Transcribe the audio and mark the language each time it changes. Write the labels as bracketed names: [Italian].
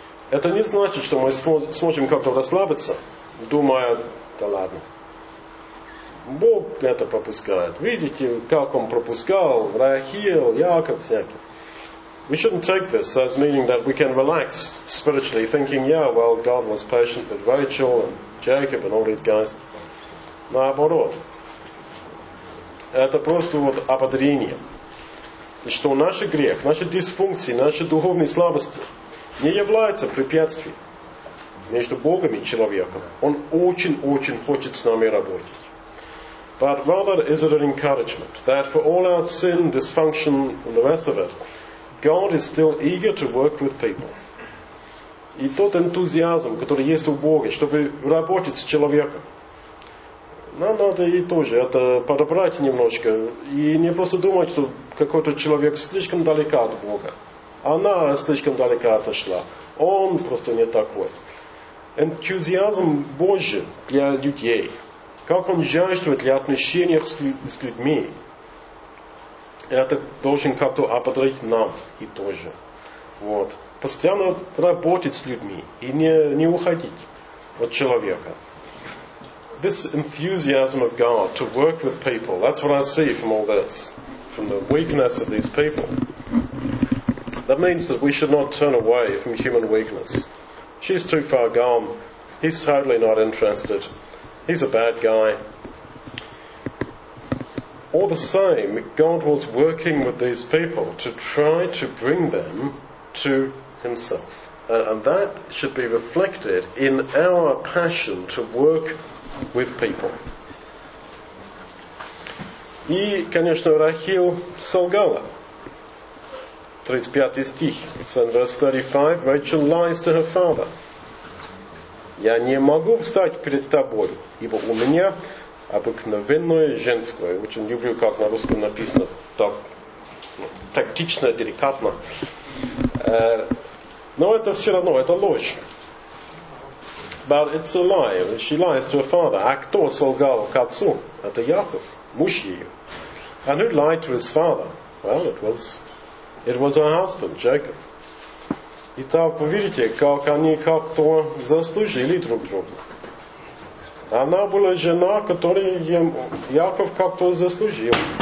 [Russian] Это не значит, что мы сможем как-то расслабиться, думая, да ладно. Бог это пропускает. Видите, как он пропускал Рахил, Яков, всякие. [English] We shouldn't take this as meaning that we can relax spiritually, thinking, yeah, well, God was patient with Rachel and Jacob and all these guys. [Russian] Наоборот. Это просто вот ободрение. И что наш грех, наши дисфункции, наши духовные слабости не являются препятствием между Богом и человеком. Он очень-очень хочет с нами работать. [English] But rather, is it an encouragement that for all our sin, dysfunction, and the rest of it, God is still eager to work with people? [Russian] И тот энтузиазм, который есть у Бога, чтобы работать с человеком, нам надо и тоже это подобрать немножко и не просто думать, что какой-то человек слишком далеко от Бога, она слишком далеко отошла, он просто не такой. Энтузиазм Божий для людей. Как он жаждет для отношений с людьми, это должен как-то ободрить нам и тоже. Вот. Постоянно работать с людьми и не уходить от человека. [English] This enthusiasm of God to work with people, that's what I see from all this, from the weakness of these people. That means that we should not turn away from human weakness. She's too far gone. He's totally not interested. He's a bad guy. All the same, God was working with these people to try to bring them to himself. And that should be reflected in our passion to work with people. [Russian] И, конечно, Рахил солгала. 35 стих. [English] So in verse 35, Rachel lies to her father. [Russian] Я не могу встать перед тобой, ибо у меня обыкновенное женское. Очень люблю, как на русском написано, так, тактично, деликатно. Но это все равно, это ложь. [English] But it's a lie. She lies to her father. [Russian] А кто солгал к отцу? Это Яков, муж ее. [English] And who lied to his father? Well, it was her husband, Jacob. [Russian] Итак, вы видите, как они как-то заслужили друг друга. Она была жена, которую Яков как-то заслужил.